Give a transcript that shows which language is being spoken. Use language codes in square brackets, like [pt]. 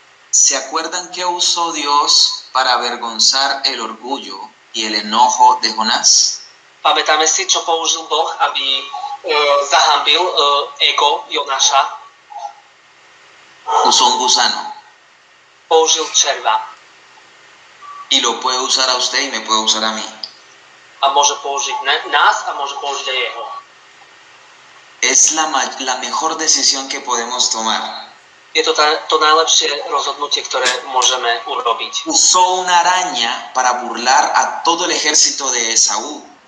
[es] ¿Se acuerdan que usó Dios para avergonzar el orgullo y el enojo de Jonás? [sk] Pamätáme si, čo použil Boh, aby zahambil ego Jonáša? [es] Usó un gusano. [sk] Použil červa. [es] Y lo puede usar a usted y me puede usar a mí. [sk] A môže použiť nás a môže použiť aj jeho. [es] Es la mejor decisión que podemos tomar. [sk] Je to to najlepšie rozhodnutie, ktoré môžeme urobiť. [es] Usó una araña para burlar a todo el ejército de Esaú.